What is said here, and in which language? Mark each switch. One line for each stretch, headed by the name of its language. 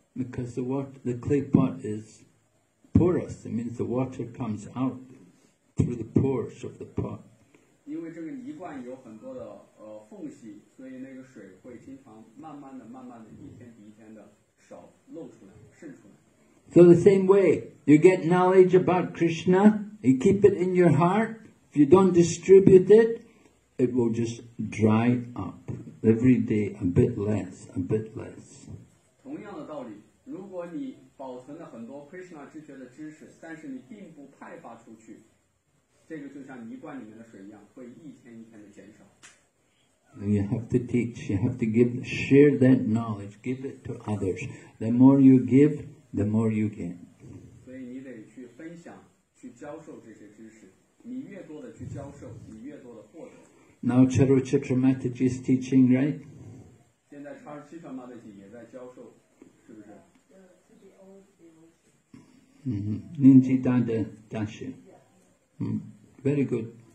English: Because the water, the clay pot is porous. It means the water comes out through the pores of the pot.
Chinese: 因为这个泥罐有很多的缝隙，所以那个水会经常慢慢的、慢慢的，一天比一天的少漏出来、渗出来。
English: So the same way, you get knowledge about Krishna, you keep it in your heart. If you don't distribute it, it will just dry up every day a bit less, a bit less.
Chinese: 同样的道理，如果你保存了很多 Krishna 之觉的知识，但是你并不派发出去，这个就像泥罐里面的水一样，会一天一天的减少。
English: You have to teach, you have to give, share that knowledge, give it to others. The more you give,the more you gain.
Chinese: 所以你得去分享，去教授这些知识。你越多的去教授，你越多的获得。
English: Now Charuchitra Mataji is teaching, right?
Chinese: 现在 Charuchitra Mataji 也在教授，是不是？
English: To the old devotees.
Chinese: 年纪大的大师。
English: Very good.